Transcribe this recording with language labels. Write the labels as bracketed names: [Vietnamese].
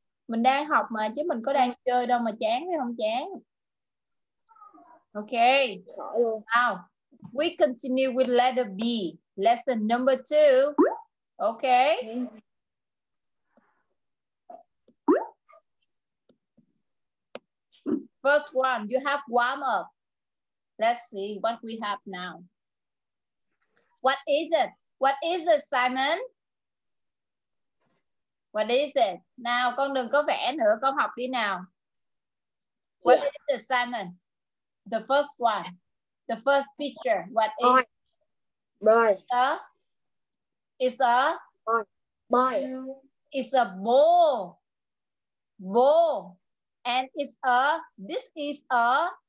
[Vietnamese] Mình đang học mà chứ mình có đang chơi đâu mà chán hay không chán. [English] Okay, now we continue with letter B, lesson number two. Okay. First one, you have warm up. Let's see what we have now. What is it? What is it, Simon? What is it? [Vietnamese] Now, con đừng có vẽ nữa, con học đi nào. [English] What is it, Simon? The first one, the first picture, what is it? Boy. It's a? Boy. It's a bowl. Bowl. And it's a, this is a?